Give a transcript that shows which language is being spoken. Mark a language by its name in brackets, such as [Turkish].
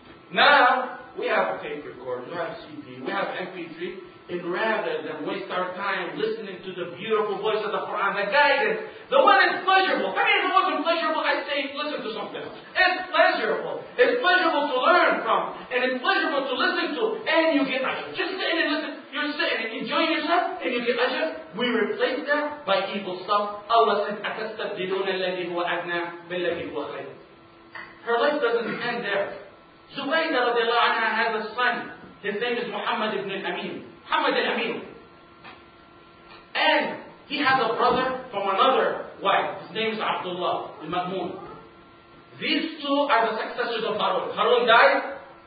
[English] Now, we have a tape recorder, we have CD, we have MP3, and rather than waste our time listening to the beautiful voice of the Quran, the guidance, the one that's pleasurable. I mean, if it wasn't pleasurable, I'd say listen to something else. It's pleasurable. It's pleasurable to learn from, and it's pleasurable to listen to, and you get ajr. Just sitting and listen, you're sitting and enjoying yourself, and you get ajr. We replace that by evil stuff. Allah says, [Arabic] أَتَسْتَبْدِلُونَ الَّذِي هُوَ أَدْنَى بِالَّذِي هُوَ خَيْرٌ. [English] Her life doesn't end there. Zubaydah radiallahu anha has a son. His name is Muhammad ibn al-Amin. Muhammad al-Amin. And he has a brother from another wife. His name is Abdullah al-Ma'mun. These two are the successors of Harun. Harun died.